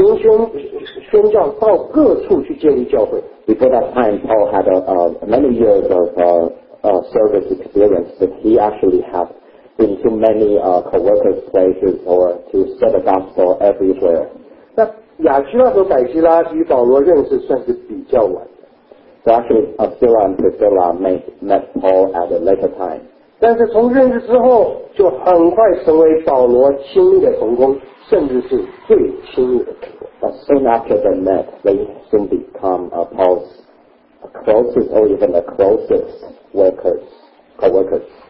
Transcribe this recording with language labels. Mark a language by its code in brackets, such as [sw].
[zh] 想看看在那之前，保罗已经有多年侍奉的经验，与好多位同工一起配搭过，旅行宣教到各处去建立教会。 [en] Before that time, Paul had many years of service experience, but he actually had been to many co-workers' places or to spread the gospel everywhere. [zh] 那亚居拉和百基拉与保罗认识算是比较晚的。 [en] So actually, Aquila and Priscilla met Paul at a later time. [zh] 但是从认识之后，就很快成为保罗亲密的同工，甚至是最亲密的同工。 [en] But soon after they met, they soon become Paul's closest or even the closest workers.